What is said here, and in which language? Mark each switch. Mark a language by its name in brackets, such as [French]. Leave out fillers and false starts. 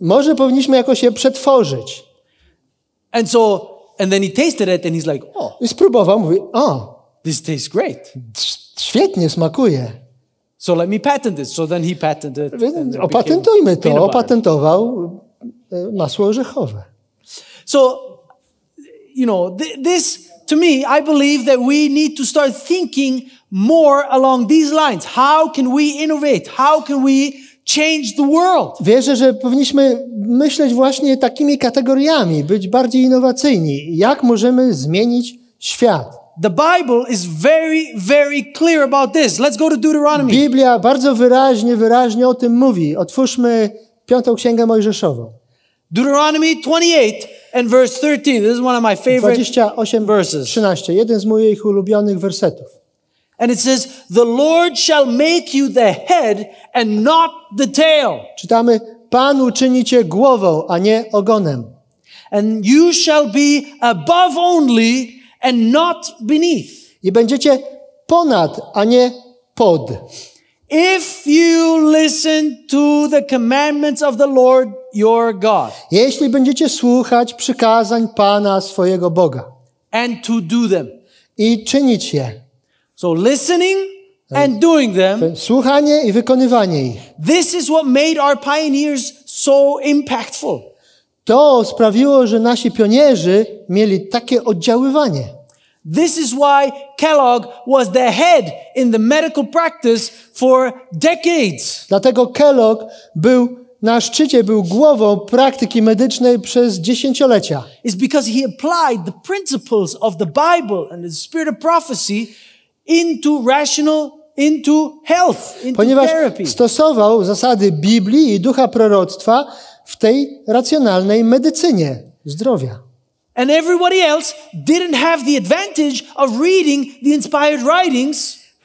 [Polish] Może powinniśmy jakoś je przetworzyć. [English] And then he tasted it and he's like, oh. [Polish] I spróbował, mówi, [English] this tastes great. [Polish] Świetnie smakuje. [English] So let me patent this. So then he patented it. [Polish] Opatentujmy to. Opatentował masło orzechowe. [English] So, this to me, I believe that we need to start thinking more along these lines. How can we innovate? How can we change the world? [Polish] Wierzę, że powinniśmy myśleć właśnie takimi kategoriami, być bardziej innowacyjni. Jak możemy zmienić świat? [English] The Bible is very, very clear about this. Let's go to Deuteronomy. [Polish] Biblia bardzo wyraźnie o tym mówi. Otwórzmy 5 Księgę Mojżeszową. [English] Deuteronomy 28 and verse 13. This is one of my favorite 28, verses. 13. [Polish] Jeden z moich ulubionych wersetów. [English] And it says, "The Lord shall make you the head and not the tail." [Polish] Czytamy: Pan uczyni cię głową, a nie ogonem. [English] And you shall be above only and not beneath. [Polish] I będziecie ponad, a nie pod. [English] If you listen to the commandments of the Lord your God. [Polish] Jeśli będziecie słuchać przykazań Pana swojego Boga. [English] And to do them. [Polish] I czynić je. [English] So listening and doing them. [Polish] Słuchanie i wykonywanie ich. [English] This is what made our pioneers so impactful. [Polish] To sprawiło, że nasi pionierzy mieli takie oddziaływanie. [English] This is why Kellogg was the head in the medical practice for decades. [Polish] Dlatego Kellogg był na szczycie, był głową praktyki medycznej przez dziesięciolecia. [English] It's because he applied the principles of the Bible and the spirit of prophecy into rational, into health, into [Polish] ponieważ [English] therapy. [Polish] Stosował zasady Biblii i ducha proroctwa w tej racjonalnej medycynie zdrowia. [English] And everybody else didn't have the advantage of reading the inspired writings.